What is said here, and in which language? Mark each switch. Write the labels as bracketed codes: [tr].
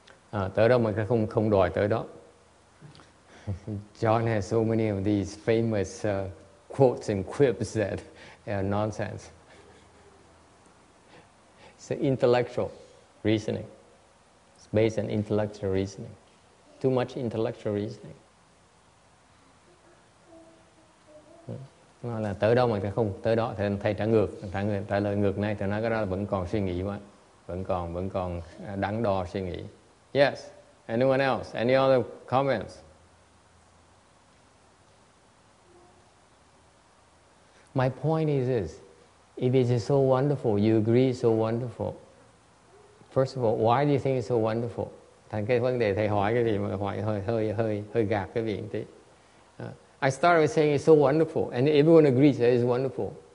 [vi] À, tới đó mình không đòi tới đó. [en] John has so many of these famous quotes and quips that are nonsense. It's an intellectual reasoning. It's based on intellectual reasoning. Too much intellectual reasoning. [vi] Nó là tới đâu mà ta không tới đó thì thầy trả ngược, trả lời ngược này thì nó cái đó là vẫn còn suy nghĩ quá, vẫn còn đắn đo suy nghĩ. [en] Yes, anyone else? Any other comments? My point is this: if it is so wonderful, you agree so wonderful. First of all, why do you think it's so wonderful? [vi] Thành cái vấn đề thầy hỏi cái gì mà hỏi hơi gạt cái vị tí. [en] I started with saying it's so wonderful, and everyone agrees that it's wonderful.